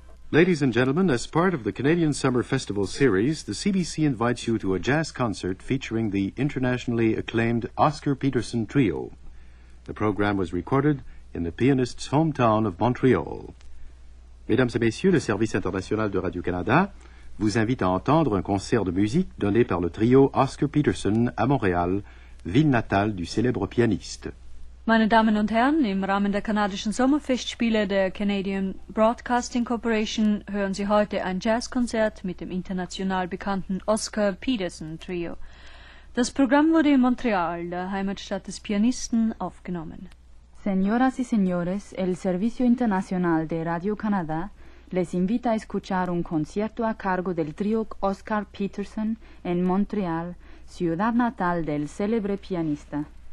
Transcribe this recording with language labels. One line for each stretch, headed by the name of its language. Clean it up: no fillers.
English: Ladies and gentlemen, as part of the Canadian Summer Festival series, the CBC invites you to a jazz concert featuring the internationally acclaimed Oscar Peterson Trio. The program was recorded in the pianist's hometown of Montreal.
French: Mesdames et messieurs, le service international de Radio-Canada vous invite à entendre un concert de musique donné par le trio Oscar Peterson à Montréal, ville natale du célèbre pianiste.
German: Meine Damen und Herren, im Rahmen der kanadischen Sommerfestspiele der Canadian Broadcasting Corporation hören Sie heute ein Jazzkonzert mit dem international bekannten Oscar Peterson Trio. Das Programm wurde in Montreal, der Heimatstadt des Pianisten, aufgenommen.
Spanish: Señoras y señores, el Servicio Internacional de Radio Canadá les invita a escuchar un concierto a cargo del trío Oscar Peterson en Montreal, ciudad natal del célebre pianista.